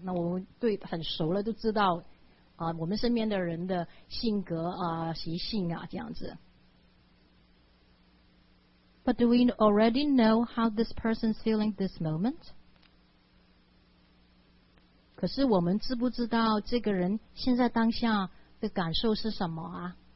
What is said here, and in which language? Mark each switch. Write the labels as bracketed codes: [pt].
[zh] 那我们对很熟了，都知道我们身边的人的性格啊、习性啊这样子。 [en] But do we already know how this person's feeling this moment? [zh] 可是我们知不知道这个人现在当下 的感受是什么啊?